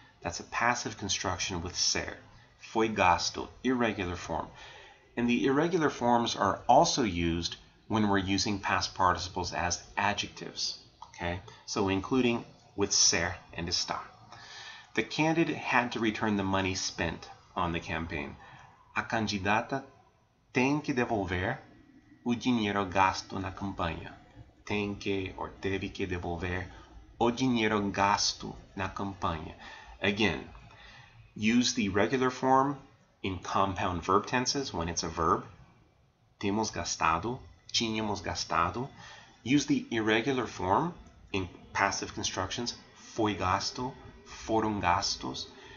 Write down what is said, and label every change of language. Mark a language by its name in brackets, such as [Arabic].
[English] That's a passive construction with ser. [Portuguese] Foi gasto, [English] irregular form. And the irregular forms are also used when we're using past participles as adjectives. Okay? So including with ser and estar. The candidate had to return the money spent on the campaign. [Portuguese] A candidata tem que devolver o dinheiro gasto na campanha. Tem que or teve que devolver o dinheiro gasto na campanha. [English] Again, use the regular form in compound verb tenses when it's a verb. [Portuguese] Temos gastado, tínhamos gastado. [English] Use the irregular form in passive constructions. [Portuguese] Foi gasto, foram gastos.